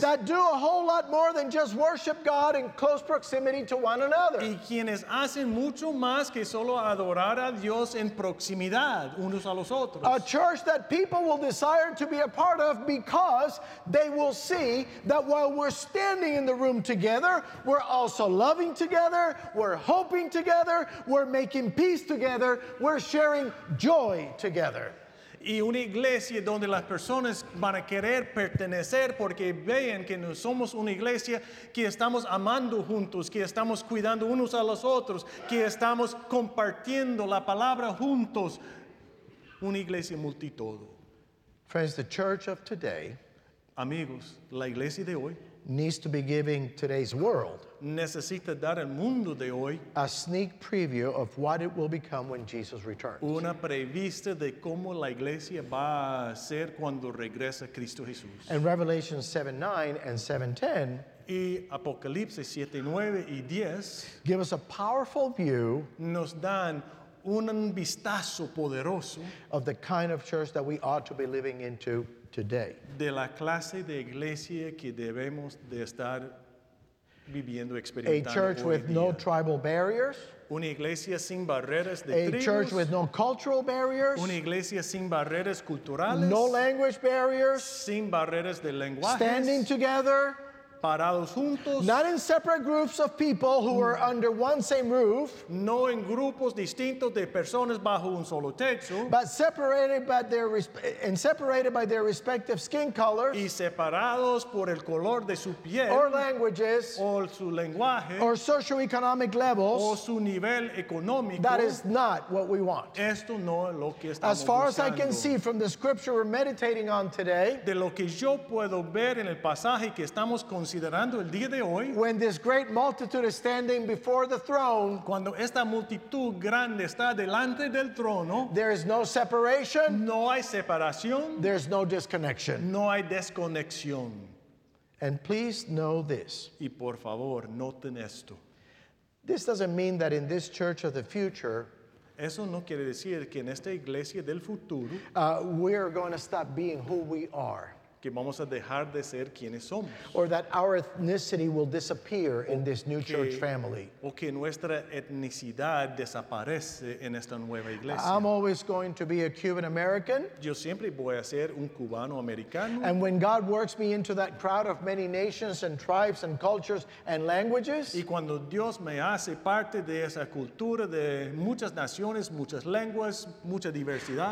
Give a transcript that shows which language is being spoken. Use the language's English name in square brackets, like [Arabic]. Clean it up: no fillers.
[English] That do a whole lot more than just worship God in close proximity to one another. [Spanish] Y quienes hacen mucho más que solo adorar a Dios en proximidad unos a los otros. [English] A church that people will desire to be a part of because they will see that while we're standing in the room together, we're also loving together, we're hoping together, we're making peace together, we're sharing joy together. [Spanish] Y una iglesia donde las personas van a querer pertenecer porque vean que no somos una iglesia que estamos amando juntos, que estamos cuidando unos a los otros, que estamos compartiendo la palabra juntos. Una iglesia multitodo. [English] Friends, the church of today, [Spanish] amigos, la iglesia de hoy [English] needs to be giving today's world [Spanish] necesita dar al mundo de hoy [English] a sneak preview of what it will become when Jesus returns. [Spanish] Una prevista de cómo la iglesia va a ser cuando regresa Cristo Jesús. [English] In Revelation 7:9 and 7:10, [Spanish] y Apocalipsis 7:9 y 10 [English] give us a powerful view, [Spanish] nos dan un vistazo poderoso [English] of the kind of church that we ought to be living into today. [Spanish] De la clase de iglesia que debemos de estar viviendo, experimentando. [English] A church with no tribal barriers. [Spanish] Una iglesia sin barreras de a tribus. [English] A church with no cultural barriers. [Spanish] Una iglesia sin barreras culturales. [English] No language barriers. [Spanish] Sin barreras de lenguajes. [English] Standing together. [Spanish] Parados juntos. [English] Not in separate groups of people who are under one same roof. [Spanish] No en grupos distintos de personas bajo un solo techo. [English] But separated by their respective skin colors. [Spanish] Y separados por el color de su piel. [English] Or languages. [Spanish] O su lenguaje. [English] Or socioeconomic levels. [Spanish] O su nivel económico. [English] That is not what we want. [Spanish] Esto no es lo que estamos buscando. [English] As far [Spanish] buscando. [English] As I can see from the scripture we're meditating on today. [Spanish] De lo que yo puedo ver en el pasaje que estamos con el día de hoy, [English] when this great multitude is standing before the throne, [Spanish] cuando esta multitud grande está delante del trono, [English] there is no separation, [Spanish] no hay separación, [English] there's no disconnection, [Spanish] no hay desconexión. [English] And please know this, [Spanish] y por favor noten esto, [English] this doesn't mean that in this church of the future, [Spanish] eso no quiere decir que en esta iglesia del futuro, [English] we are going to stop being who we are. [Spanish] Que vamos a dejar de ser quienes somos. [English] Or that our ethnicity will disappear in this new church family. [Spanish] O que nuestra etnicidad desaparece en esta nueva iglesia. [English] I'm always going to be a Cuban American. [Spanish] Yo siempre voy a ser un cubano americano. [English] And when God works me into that crowd of many nations and tribes and cultures and languages. [Spanish] Y cuando Dios me hace parte de esa cultura de muchas naciones, muchas lenguas, mucha diversidad.